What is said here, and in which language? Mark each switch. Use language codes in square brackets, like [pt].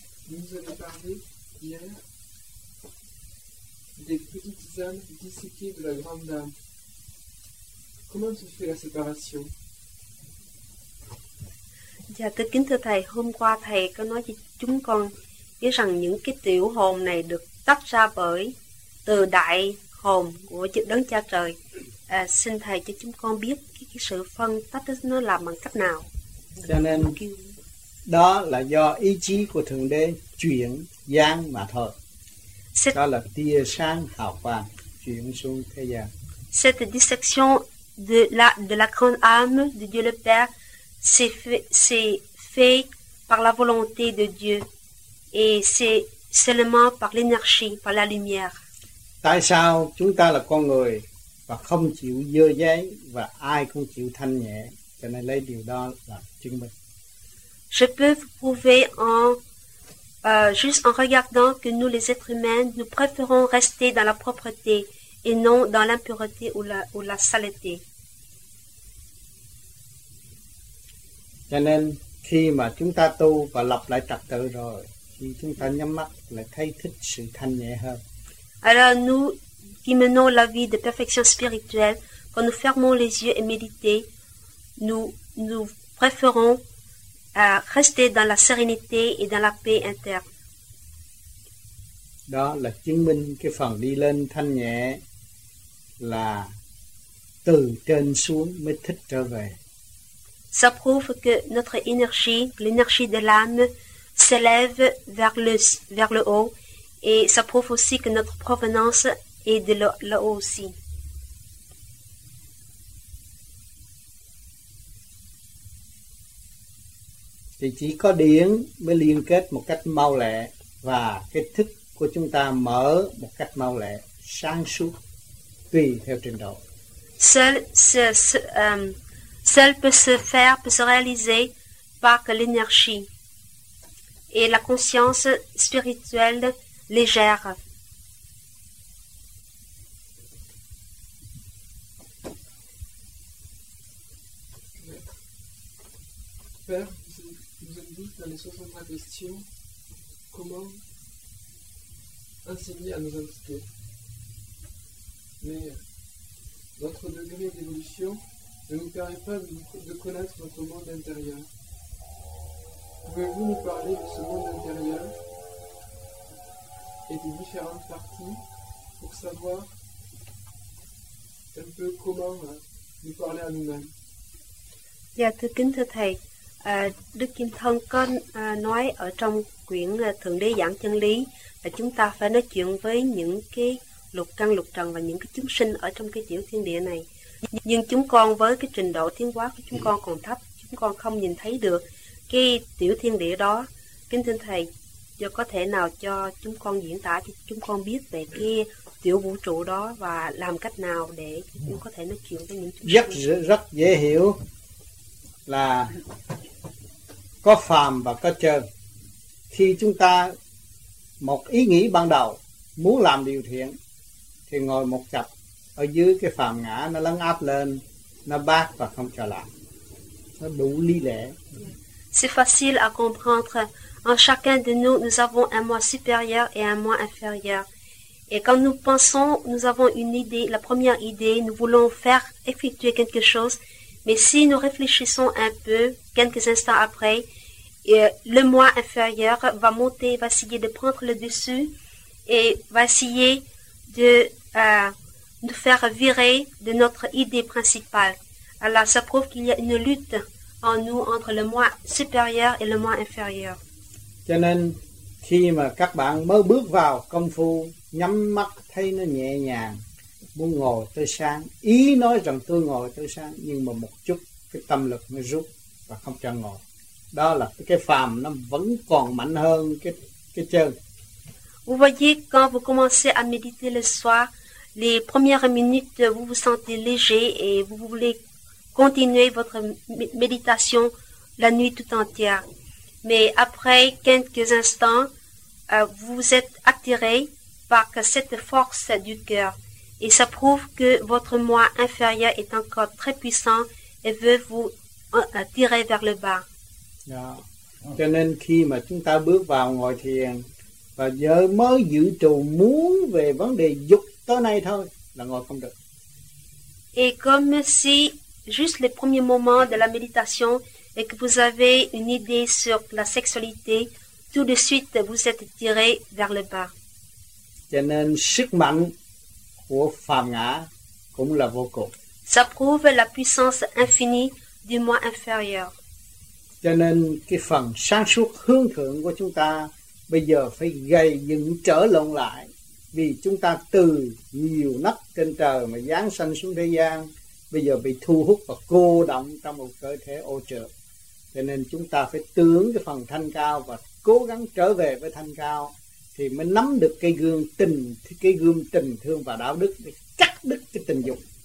[fr] Vous avez parlé hier des petites âmes disséquées de la grande âme. Comment se fait la séparation? [vi] Dạ, thưa kính thưa thầy, hôm qua thầy có nói cho chúng con biết rằng những cái tiểu hồn này được tách ra bởi từ đại hồn của chữ đấng cha trời. À, xin thầy cho chúng con biết cái sự phân tách nó làm bằng cách nào. Cho nên đó là do ý chí của Thượng Đế chuyển gian mà thôi. Đó là tia sáng hào quang chuyển xuống thế gian. [fr] Cette distinction de la grande âme de Dieu le Père c'est fait par la volonté de Dieu et c'est seulement par l'énergie, par la lumière. [vi] Tại sao chúng ta là con người và không chịu dơ dáy và ai cũng chịu thanh nhẹ, cho nên lấy điều đó là chứng minh. [fr] Je peux vous prouver juste en regardant que nous les êtres humains nous préférons rester dans la propreté et non dans l'impureté ou la saleté. [vi] Cho nên khi mà chúng ta tu và lập lại trật tự rồi thì chúng ta nhắm mắt lại thấy thích sự thanh nhẹ hơn. [fr] Alors nous qui menons la vie de perfection spirituelle, quand nous fermons les yeux et méditer, nous préférons rester dans la sérénité et dans la paix interne. [vi] Đó là chứng minh cái phần đi lên thanh nhẹ là từ trên xuống mới thích trở về. [fr] Ça prouve que notre énergie, l'énergie de l'âme, s'élève vers le haut, et ça prouve aussi que notre provenance est de le haut aussi. [vi] Thì chỉ có điển mới liên kết một cách mau lẹ và cái thức của chúng ta mở một cách mau lẹ, sáng suốt, tùy theo trình độ. [fr] Seul peut se faire, peut se réaliser par l'énergie et la conscience spirituelle légère. Père, vous avez dit dans les 63 questions, comment enseigner à nos instructeurs. Mais votre degré d'évolution ne nous permet pas de connaître notre monde intérieur. Pouvez-vous nous parler de ce monde intérieur et des différentes parties pour savoir un peu comment nous parler à nous-mêmes? [vi] Dạ, thưa kính thưa thầy, Đức Kim Thân có nói ở trong quyển Thượng Đế giảng chân lý là chúng ta phải nói chuyện với những cái lục căn lục trần và những cái chúng sinh ở trong cái tiểu thiên địa này. Nhưng chúng con với cái trình độ tiến hóa của chúng con còn thấp, chúng con không nhìn thấy được cái tiểu thiên địa đó. Kính thưa thầy, giờ có thể nào cho chúng con diễn tả cho chúng con biết về cái tiểu vũ trụ đó và làm cách nào để chúng có thể nói chuyện với những chúng rất con? Rất dễ hiểu là có phàm và có trần. Khi chúng ta một ý nghĩ ban đầu muốn làm điều thiện thì ngồi một chập ở dưới cái phàm ngã, nó lấn áp lên, nó bác và không cho làm, nó đủ lý lẽ. [fr] C'est facile à comprendre. En chacun de nous, nous avons un moi supérieur et un moi inférieur. Et quand nous pensons, nous avons une idée, la première idée, nous voulons faire effectuer quelque chose. Mais si nous réfléchissons un peu, quelques instants après, Et le moi inférieur va monter, va essayer de prendre le dessus et va essayer de nous faire virer de notre idée principale. Alors, ça prouve qu'il y a une lutte en nous entre le moi supérieur et le moi inférieur. [vi] Cho nên, khi mà các bạn mới bước vào công phu, nhắm mắt thấy nó nhẹ nhàng, muốn ngồi tới sáng, ý nói rằng tôi ngồi tới sáng, nhưng mà một chút cái tâm lực nó rút và không cho ngồi. Đó là cái phàm nó vẫn còn mạnh hơn cái chân. [fr] Vous voyez, quand vous commencez à méditer le soir, les premières minutes, vous vous sentez léger et vous voulez continuer votre méditation la nuit tout entière. Mais après quelques instants, vous êtes attiré par cette force du cœur. Et ça prouve que votre moi inférieur est encore très puissant et veut vous tirer vers le bas. [vi] Đó. Cho nên khi mà chúng ta bước vào ngồi thiền và giờ mới giữ trụ muốn về vấn đề dục tới nay thôi là ngồi không được. [fr] Et comme si juste les premiers moments de la méditation et que vous avez une idée sur la sexualité, tout de suite vous êtes tiré vers le bas. [vi] Cho nên sức mạnh của phàm ngã cũng là vô cùng. [fr] Ça prouve la puissance infinie du moi inférieur. [vi] Cho nên cái phần sáng suốt hướng thượng của chúng ta bây giờ phải gây dựng trở lộn lại, vì chúng ta từ nhiều nấc trên trời mà giáng sanh xuống thế gian, bây giờ bị thu hút và cô động trong một cơ thể ô trược. Cho nên chúng ta phải tướng cái phần thanh cao và cố gắng trở về với thanh cao thì mới nắm được cái gương tình thương và đạo đức để cắt đứt cái tình dục.